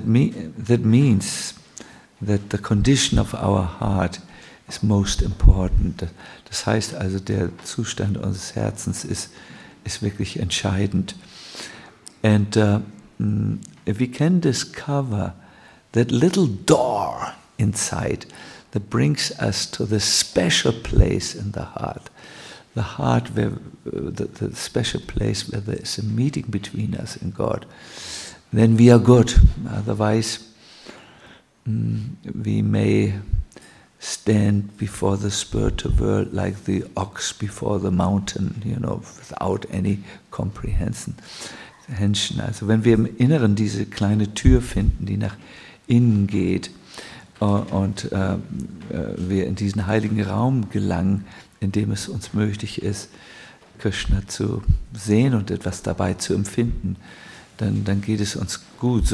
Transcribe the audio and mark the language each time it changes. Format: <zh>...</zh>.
<en>So that means that the condition of our heart is most important.</en> <de>Das heißt also, der Zustand unseres Herzens ist wirklich entscheidend.</de> <en>And if we can discover that little door inside that brings us to the special place in the heart where the special place where there is a meeting between us and God, then we are good. Otherwise, we may stand before the spiritual world like the ox before the mountain, you know, without any comprehension.</en> <de>Also wenn wir im Inneren diese kleine Tür finden, die nach innen geht, und wir in diesen heiligen Raum gelangen, in dem es uns möglich ist, Krishna zu sehen und etwas dabei zu empfinden, dann geht es uns gut.</de>